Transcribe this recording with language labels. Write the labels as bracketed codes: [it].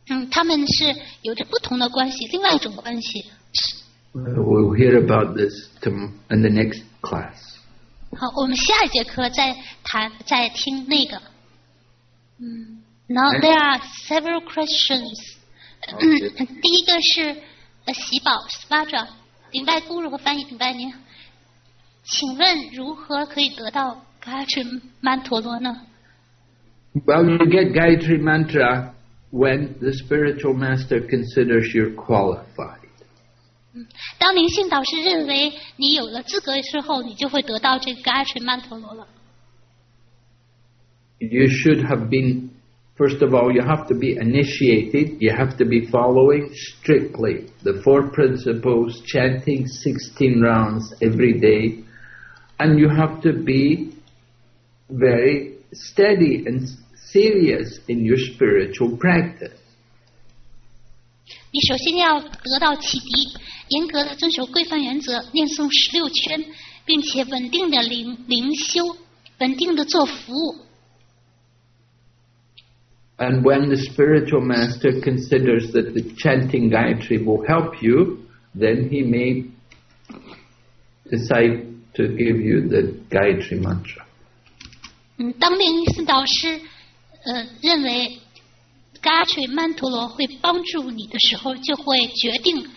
[zh] 他们是有着不同的关系，另外一种关系。 [en] We'll hear about this in the next class. [zh] 好，我们下一节课再谈，再听那个。 [en] Now there are several questions. [zh] 第一个是喜宝 Svadra， 顶拜姑如何翻译顶拜您？请问如何可以得到 Gayatri Mantra 呢 [en] ？Well, you get Gayatri Mantra when the spiritual master considers you're qualified. [zh] 当灵性导师认为你有了资格之后，你就会得到这个伽耶曼陀罗了。 [en] You should have been, first of all, you have to be initiated. You have to be following strictly the four principles, chanting 16 rounds every day, and you have to be very steady and serious in your spiritual practice. [zh] 你首先要得到启迪。严格的遵守规范原则，念诵十六圈，并且稳定的灵修，稳定的做服务。 [en] And when the spiritual master considers that the chanting Gayatri will help you, then he may decide to give you the Gayatri mantra. [zh] 当灵性导师认为 Gayatri mantra 会帮助你的时候，就会决定。